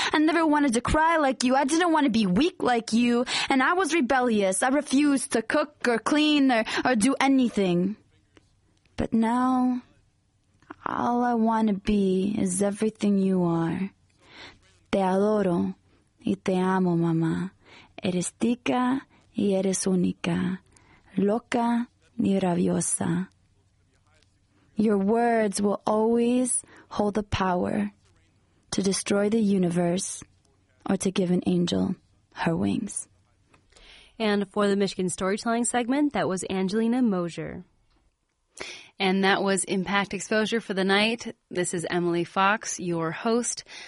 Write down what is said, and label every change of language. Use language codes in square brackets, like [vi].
[en] I never wanted to cry like you. I didn't want to be weak like you. And I was rebellious. I refused to cook or clean or do anything. But now, all I want to be is everything you are. [es] Te adoro y te amo, mamá. Eres tica y eres única, loca ni rabiosa. [en] Your words will always hold the power to destroy the universe or to give an angel her wings. And for the Michigan Storytelling segment, that was Angelina Mosier. And that was Impact Exposure for the night. This is Emily Fox, your host.